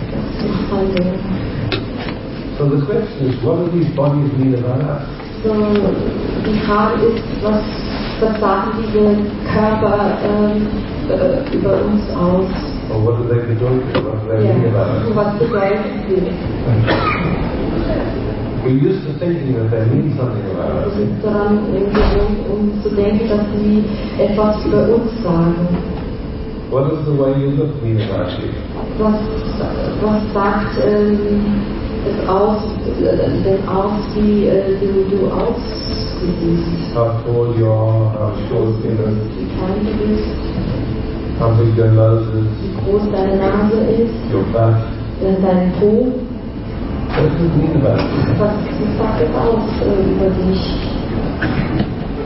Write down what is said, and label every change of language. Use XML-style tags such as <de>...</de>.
<en>So the question is, what do these bodies mean about us?</en> <de>So the Frage ist, was sagen diese Körper über uns aus?</de> <en>Or what do they mean about us? do they mean about us? What's the we're used to thinking that they mean something about us.</en> <de>Wir sind daran gewöhnt, zu denken, dass sie etwas über uns sagen.</de> <en>What does the way you look mean about you?</en> <de>Was sagt es aus, denn aus, wie du aussiehst?</de> <en>How tall you are, how short you look.</en> <de>Wie klein du bist.</de> <en>How big your nose is.</en> <de>Wie groß deine Nase ist.</de> <en>Your back.</en> <de>Dein Po.</de> <en>What does it mean about you?</en> <de>Was sagt es aus über dich?</de>